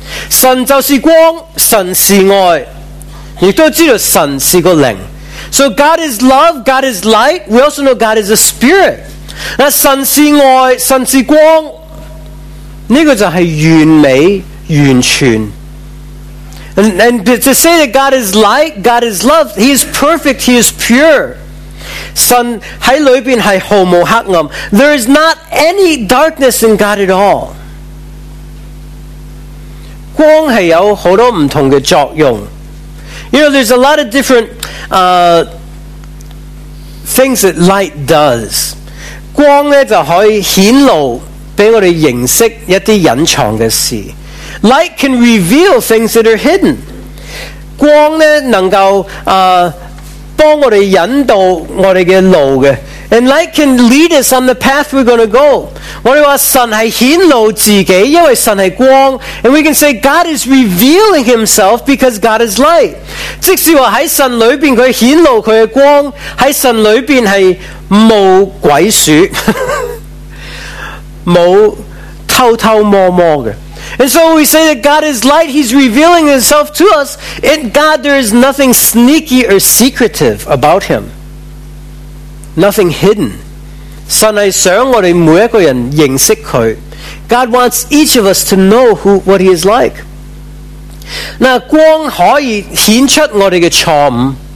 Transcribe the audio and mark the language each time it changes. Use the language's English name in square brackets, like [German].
[Cantonese] 神就是光，神是爱，亦都知道神是个灵。 [English] So God is love, God is light. We also know God is a spirit. [Cantonese] 那神是爱，神是光，这个就是完美完全。 [English] And to say that God is light, God is love, He is perfect, He is pure. [Cantonese] 神在里面是毫无黑暗。 [English] There is not any darkness in God at all. [Cantonese] 光是有很多不同的作用。 [English] You know, there's a lot of different things that light does. [Cantonese] 光呢就可以显露给我们认识一些隐藏的事。 [English] Light can reveal things that are hidden. [Cantonese] 光呢能够帮我们引导我们的路的。 [English] And light can lead us on the path we're going to go. [Cantonese] 我们说神是显露自己，因为神是光。 [English] And we can say God is revealing himself because God is light. [Cantonese] 即使说在神里面他显露他的光，在神里面是无鬼鼠无偷偷摸摸的。 [English] And so we say that God is light, He's revealing Himself to us. In God, there is nothing sneaky or secretive about Him. Nothing hidden. [Cantonese] 神是想我们每一个人认识祂。 [English] God wants each of us to know what He is like. [Cantonese] 那光可以显出我们的错误。